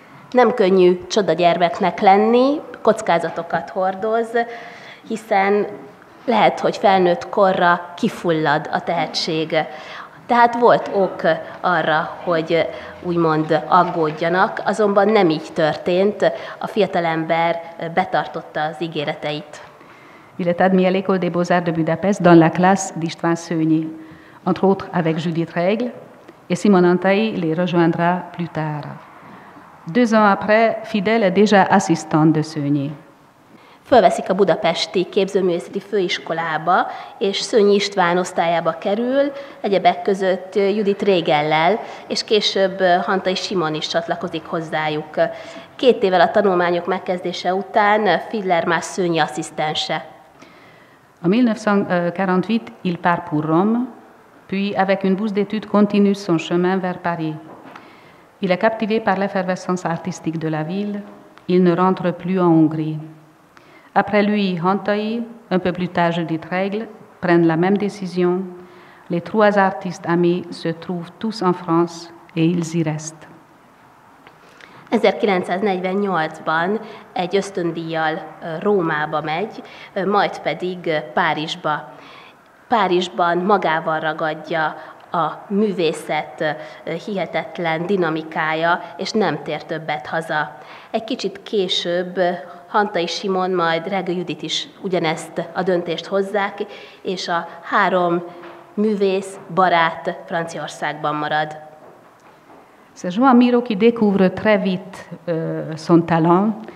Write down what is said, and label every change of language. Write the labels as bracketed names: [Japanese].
[Hungarian] Nem könnyű csoda gyermeknek lenni, kockázatokat hordoz, hiszen lehet, hogy felnőtt korra kifullad a tehetség. Tehát volt ok arra, hogy úgymond aggódjanak, azonban nem így történt, a fiatalember betartotta az ígéreteit. [French] Il est admis à l'école des Beaux-Arts de Budapest dans la classe d'István Szőnyi, entre autres avec Judith Regle, et Simon Antai les rejoindra plus tard. Deux ans après, Fidel est déjà assistante de Szőnyi. [Hungarian] Fölveszik a budapesti képzőművészeti főiskolába, és Szőnyi István osztályába kerül, egyebek között Judith Regellel, és később Hantai Simon is csatlakozik hozzájuk. Két évvel a tanulmányok megkezdése után Fidler már Szőnyi asszisztense. [French] En 1948, il part pour Rome, puis avec une bourse d'études continue son chemin vers Paris. Il est captivé par l'effervescence artistique de la ville, il ne rentre plus en Hongrie. Après lui, Hantai, un peu plus tard Judith Regle, prennent la même décision. Les trois artistes amis se trouvent tous en France et ils y restent. [Hungarian] 1948-ban egy ösztöndíjjal Rómába megy, majd pedig Párizsba. Párizsban magával ragadja a művészet hihetetlen dinamikája, és nem tér többet haza. Egy kicsit később Hantai Simon, majd Regő Judit is ugyanezt a döntést hozzák, és a három művész barát Franciaországban marad. [French] C'est Joan Miró qui découvre très vite son talent.